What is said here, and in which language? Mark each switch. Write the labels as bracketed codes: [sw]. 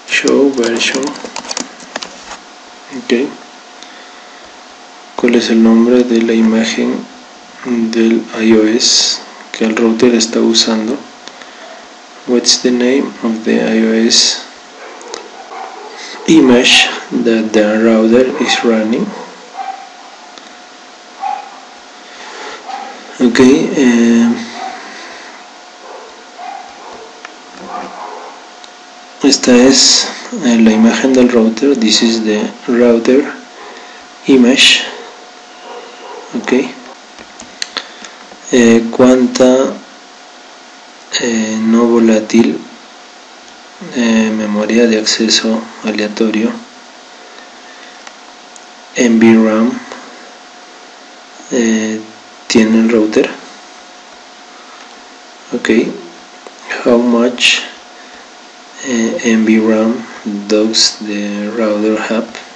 [es] Ok, ¿cuál es el nombre de la imagen del iOS que el router está usando? [en] What's the name of the iOS image that the router is running? [es] Okay, esta es la imagen del router. [en] This is the router image. [es] Okay, ¿cuánta no volátil memoria de acceso aleatorio NVRAM tiene el router? [en] How much MB RAM does the router have?